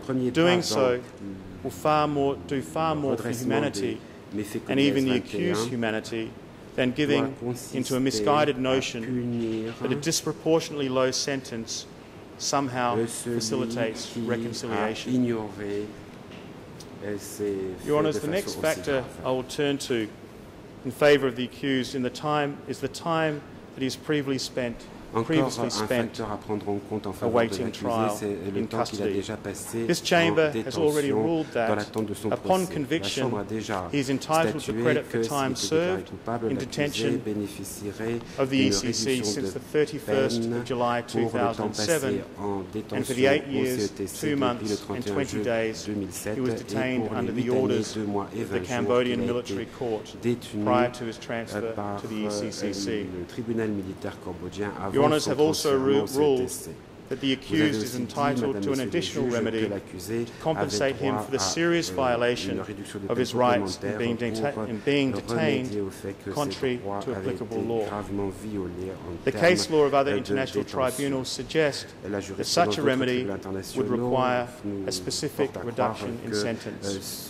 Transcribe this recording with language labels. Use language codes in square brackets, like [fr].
[en] Doing so will do far more for humanity and even the accused's humanity than giving into a misguided notion that a disproportionately low sentence somehow facilitates reconciliation. Your Honours, the next factor I will turn to in favour of the accused is the time that he has previously spent [fr] encore un facteur à prendre en compte en faveur de l'accusé, c'est le temps qu'il a déjà passé en détention dans l'attente de son procès. La Chambre a déjà statué que s'il était déjà coupable, l'accusé bénéficierait d'une réduction de peine pour le temps passé en détention au CETC depuis le 31 juillet 2007 et pour les 8 années, 2 mois et 20 jours qu'il a été détenu par le tribunal militaire cambodgien avant son transfert au CETC. [en] That the accused is entitled to an additional remedy to compensate him for the serious violation of his rights in being detained contrary to applicable law. The case law of other international tribunals suggests that such a remedy would require a specific reduction in sentence.